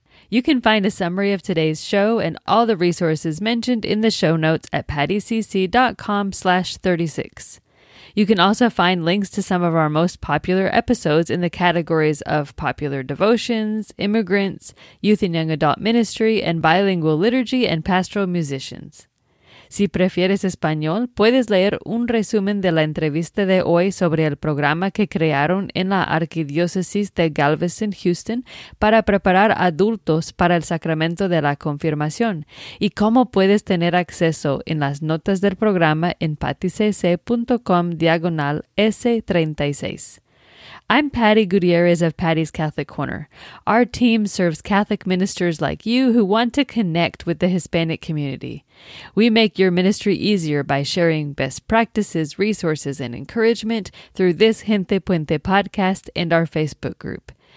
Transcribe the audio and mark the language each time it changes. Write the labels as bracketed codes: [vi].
[en] You can find a summary of today's show and all the resources mentioned in the show notes at pattycc.com/36. You can also find links to some of our most popular episodes in the categories of popular devotions, immigrants, youth and young adult ministry, and bilingual liturgy and pastoral musicians. [es] Si prefieres español, puedes leer un resumen de la entrevista de hoy sobre el programa que crearon en la Archdiócesis de Galveston-Houston para preparar adultos para el sacramento de la confirmación y cómo puedes tener acceso en las notas del programa en patticc.com/S36. [en] I'm Patti Gutierrez of Patti's Catholic Corner. Our team serves Catholic ministers like you who want to connect with the Hispanic community. We make your ministry easier by sharing best practices, resources, and encouragement through this Gente Puente podcast and our Facebook group.